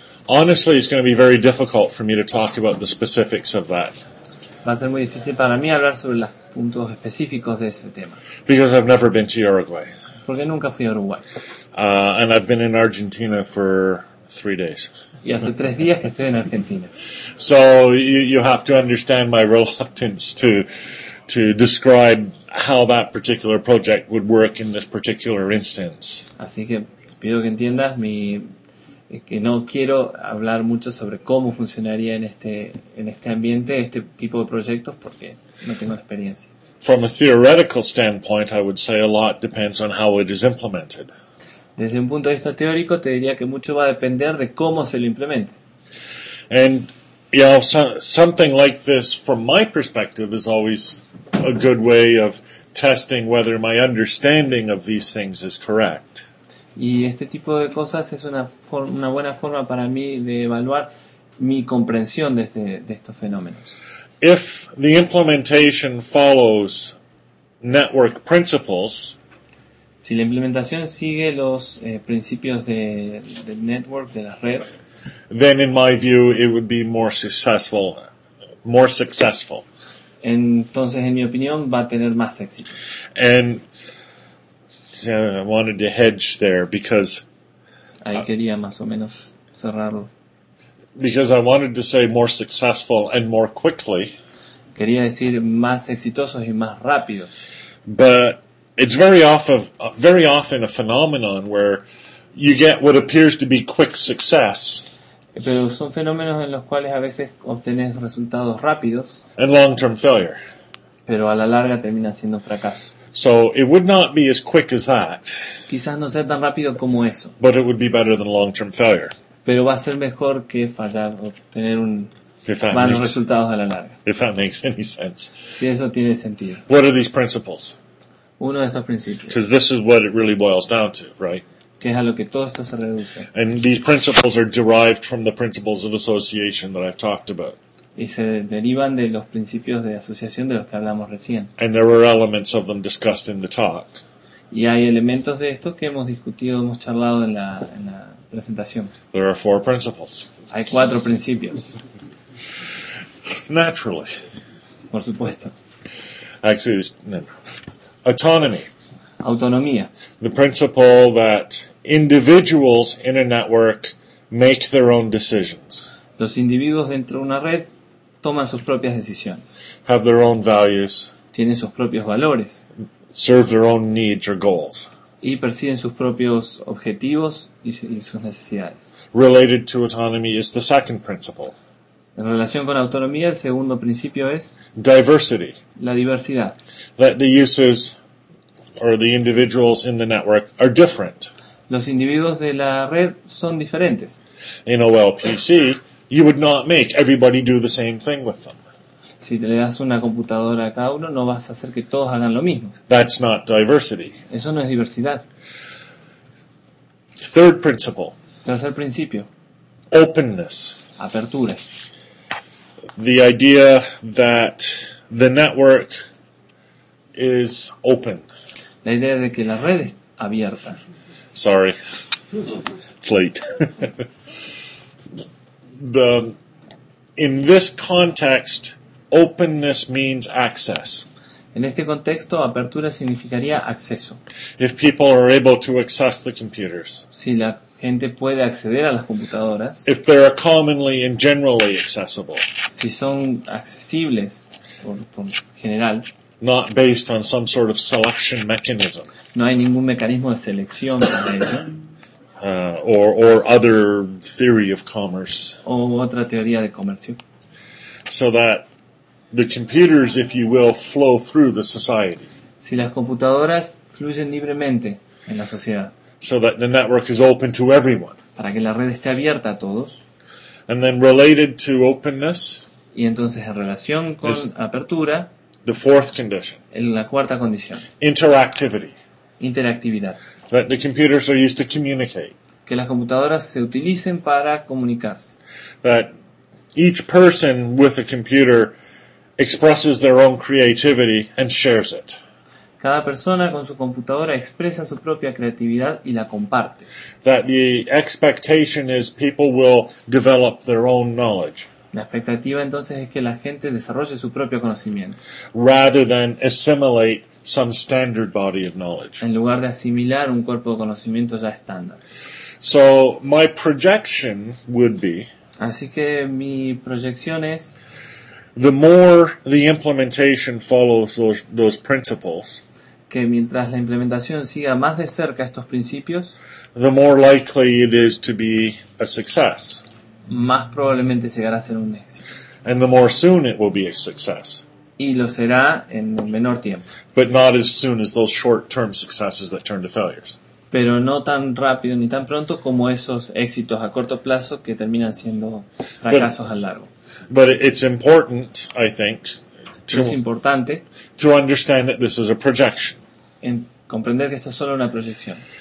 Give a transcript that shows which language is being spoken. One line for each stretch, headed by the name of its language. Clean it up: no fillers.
English: Honestly, it's going to be very difficult for me to talk about the specifics of that.
Spanish: Va a ser muy difícil para mí hablar sobre los puntos específicos de ese tema.
English: Because I've never been to Uruguay.
Spanish: Porque nunca fui a Uruguay.
English: And I've been in Argentina for 3 days.
Spanish: Y hace 3 días que estoy en Argentina.
English: So you have to understand my reluctance to describe how that particular project would work in this particular instance.
Spanish: Así que te pido que entiendas mi que no quiero hablar mucho sobre cómo funcionaría en este ambiente este tipo de proyectos porque no tengo la experiencia.
English: From a theoretical standpoint, I would say a lot depends on how it is implemented.
Spanish: Desde un punto de vista teórico, te diría que mucho va a depender de cómo se lo implemente.
English: And you know, something like this, from my perspective, is always a good way of testing whether my understanding of these things is correct.
Spanish: Y este tipo de cosas es una buena forma para mí de evaluar mi comprensión de estos fenómenos.
English: If the implementation follows network principles,
Spanish: si la implementación sigue los principios de network, de la red,
English: then in my view it would be more successful. More successful.
Spanish: Entonces, en mi opinión, va a tener más éxito.
English: And I wanted to hedge there because
Spanish: ahí quería más o menos cerrarlo.
English: Because I wanted to say more successful and more quickly.
Spanish: Quería decir más exitosos y más rápido.
English: But it's very often a phenomenon where you get what appears to be quick success.
Spanish: Pero son fenómenos en los cuales a veces obtenés resultados rápidos.
English: And long-term failure.
Spanish: Pero a la larga termina siendo fracaso.
English: So it would not be as quick as that.
Spanish: Quizás no sea tan rápido como eso.
English: But it would be better than long-term failure.
Spanish: Pero va a ser mejor que fallar o tener malos resultados a la larga.
English: If that makes any sense.
Spanish: Si eso tiene sentido.
English: What are these principles?
Spanish: Uno de estos principios.
English: Because this is what it really boils down to, right?
Spanish: Que es a lo que todo esto se reduce.
English: And these principles are derived from the principles of association that I've talked about.
Spanish: Y se derivan de los principios de asociación de los que hablamos recién.
English: And there are elements of them discussed in the talk.
Spanish: Y hay elementos de esto que hemos discutido, hemos charlado en la presentación.
English: There are 4 principles.
Spanish: Hay 4 principios.
English: Naturally.
Spanish: Por supuesto.
English: Actually, no. Autonomy.
Spanish: Autonomía.
English: The principle that individuals in a network make their own decisions.
Spanish: Los individuos dentro de una red toman sus propias decisiones.
English: Have their own values.
Spanish: Tienen sus propios valores.
English: Serve their own needs or goals.
Spanish: Y persiguen sus propios objetivos y sus necesidades.
English: Related to autonomy is the second principle.
Spanish: En relación con autonomía, el segundo principio es
English: diversity.
Spanish: La diversidad.
English: That the uses or the individuals in the network are different.
Spanish: Los individuos de la red son diferentes.
English: In OLPC, you would not make everybody do the same thing with them.
Spanish: Si le das una computadora a cada uno, no vas a hacer que todos hagan lo mismo.
English: That's not diversity.
Spanish: Eso no es diversidad.
English: Third principle.
Spanish: Tercer principio.
English: Openness.
Spanish: Apertura.
English: The idea that the network is open.
Spanish: La idea de que la red es abierta.
English: Sorry. It's late. the in this context, openness means access.
Spanish: En este contexto, apertura significaría acceso.
English: If people are able to access the computers.
Spanish: Si la gente puede acceder a las computadoras.
English: If they are commonly and generally accessible.
Spanish: Si son accesibles por general.
English: Not based on some sort of selection mechanism.
Spanish: No hay ningún mecanismo de selección para ello.
English: Or other theory of commerce.
Spanish: O otra teoría de comercio.
English: So that the computers, if you will, flow through the society.
Spanish: Si las computadoras fluyen libremente en la sociedad.
English: So that the network is open to everyone.
Spanish: Para que la red esté abierta a todos.
English: And then related to openness.
Spanish: Y entonces en relación con apertura.
English: The fourth condition.
Spanish: En la cuarta condición.
English: Interactivity.
Spanish: Interactividad.
English: That the computers are used to communicate.
Spanish: Que las computadoras se utilicen para comunicarse.
English: That each person with a computer expresses their own creativity and shares it.
Spanish: Cada persona con su computadora expresa su propia creatividad y la comparte.
English: That the expectation is people will develop their own knowledge.
Spanish: La expectativa entonces es que la gente desarrolle su propio conocimiento.
English: Rather than assimilate some standard body of knowledge.
Spanish: En lugar de asimilar un cuerpo de conocimiento ya estándar.
English: So my projection would be.
Spanish: Así que mi proyección es.
English: The more the implementation follows those principles.
Spanish: Que mientras la implementación siga más de cerca estos principios.
English: The more likely it is to be a success.
Spanish: Más probablemente llegará a ser un éxito.
English: And the more soon it will be a success.
Spanish: Y lo será en un menor tiempo.
English: But not as soon as those short-term successes that turn to failures.
Spanish: Pero no tan rápido ni tan pronto como esos éxitos a corto plazo que terminan siendo fracasos al largo.
English: But it's important, I think, to understand that this is a projection.
Spanish: En comprender que esto es solo una proyección.